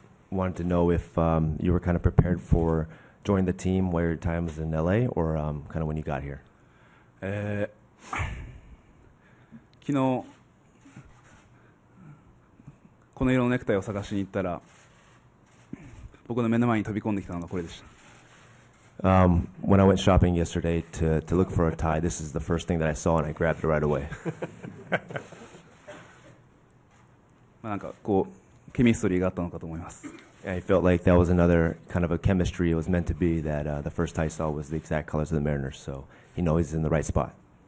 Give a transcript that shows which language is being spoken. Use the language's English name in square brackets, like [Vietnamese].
[English] Wanted to know if you were kind of prepared for joining the team while your time was in LA or kind of when you got here. [Japanese] 昨日この色のネクタイを探しに行ったら僕の目の前に飛び込んできたのがこれでした。 [English] When I went shopping yesterday to look for a tie, this is the first thing that I saw and I grabbed it right away. [Japanese] まあなんかこうケミストリーがあったのかと思います。 [English] I felt like that was another kind of a chemistry it was meant to be that the first I saw was the exact colors of the Mariners, so he knows he's in the right spot.